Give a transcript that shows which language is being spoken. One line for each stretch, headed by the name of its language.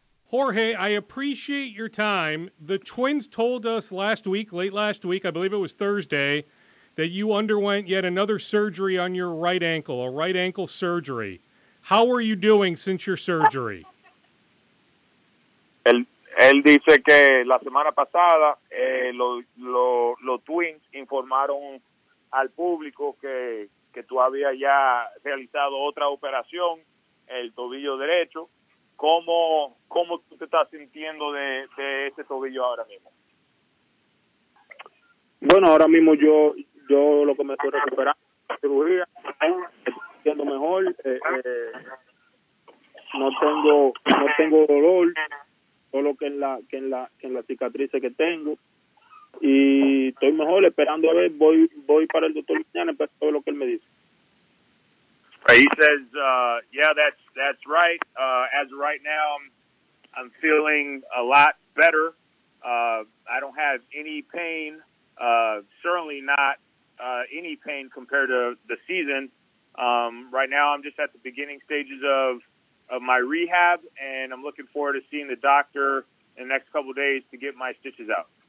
English: Jorge, I appreciate your time. The Twins told us late last week, I believe it was Thursday, that you underwent yet another surgery on your right ankle, a right ankle surgery. How are you doing since your surgery?
Spanish: Él dice que la semana pasada los Twins informaron al público que tú habías ya realizado otra operación, el tobillo derecho. ¿Cómo tú te estás sintiendo de ese tobillo ahora mismo? Bueno, ahora mismo yo lo que me estoy recuperando, cirugía, estoy siendo mejor, no tengo dolor, solo que en la cicatriz que tengo, y estoy mejor, esperando a ver, voy para el doctor mañana, pero todo lo que él me dice.
English: He says, yeah, that's right. As of right now, I'm feeling a lot better. I don't have any pain, certainly not any pain compared to the season. Right now I'm just at the beginning stages of my rehab, and I'm looking forward to seeing the doctor in the next couple of days to get my stitches out.